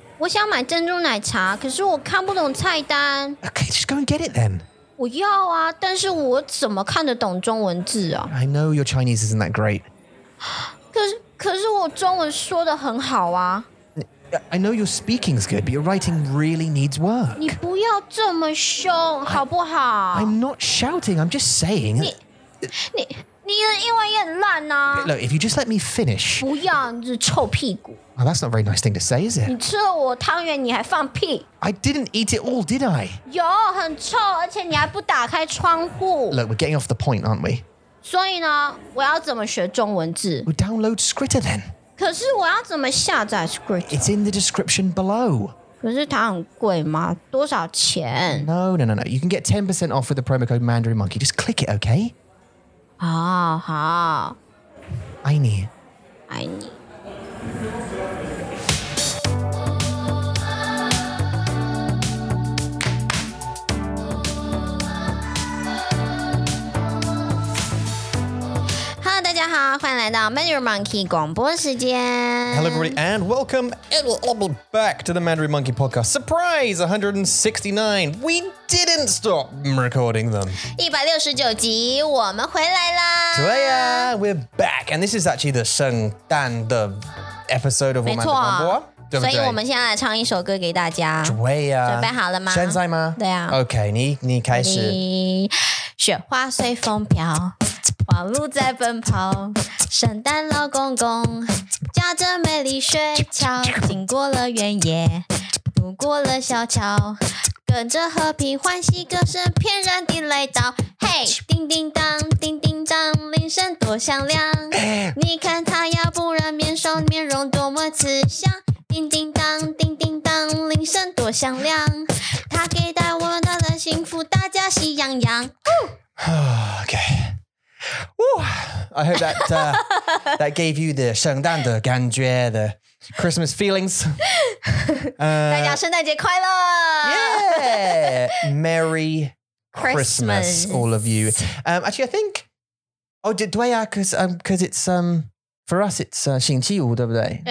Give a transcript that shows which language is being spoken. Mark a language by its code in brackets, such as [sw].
[zh] 我想买珍珠奶茶，可是我看不懂菜单。 [en] Okay, just go and get it then. [zh] 我要啊，但是我怎么看得懂中文字啊？ [en] I know your Chinese isn't that great. [zh] 可是我中文说得很好啊。 [en] I know your speaking's good, but your writing really needs work. [zh] 你不要这么凶，好不好？ [en] I'm not shouting, I'm just saying. [zh] 你的英文也很烂啊。 [en] Look, if you just let me finish. [zh] 不要，你是臭屁股。 [en] Oh, that's not a very nice thing to say, is it? [zh] 你吃了我汤圆，你还放屁。 [en] I didn't eat it all, did I? [zh] 有，很臭，而且你还不打开窗户。 [en] Look, we're getting off the point, aren't we? [zh] 所以呢，我要怎么学中文字？ [en] Well, download Scritter then. [zh] 可是我要怎么下载 Scritter? [en] It's in the description below. [zh] 可是它很贵吗？多少钱？ [en] No. You can get 10% off with the promo code MandarinMonkey. Just click it, okay? [zh] 好。爱你。 Hello, 大家好，欢迎来到 Mandarin Monkey 广播时间。 [en] Hello, everybody, and welcome back to the Mandarin Monkey podcast. Surprise, 169. We didn't stop recording them. [zh] 169集，我们回来啦。对呀， [en] we're back. And this is actually the [zh] 圣诞的 [en] episode of Mandarin Monkey. [zh] 对对所以我们现在来唱一首歌给大家。对呀、啊。准备好了吗现在吗对呀、啊。 OK, 你开始。雪花随风飘花鹿在奔跑圣诞老公公驾着美丽雪橇经过了原野渡过了小桥跟着和平欢喜歌声翩然地来到。嘿叮叮当叮叮当铃声多响亮。你看他要不然面霜面容多么慈祥。叮叮当叮叮当铃声多响亮他给带我们带来幸福大家喜洋洋 [en] Okay. Ooh, I hope that, that gave you the [zh] 圣诞的感觉 [en] the Christmas feelings. [zh] 大家圣诞节快乐 [en] Yeah! Merry Christmas, all of you. Actually, I think, oh, did I ask, because it's, For us, it's [zh] 星期五，对不对？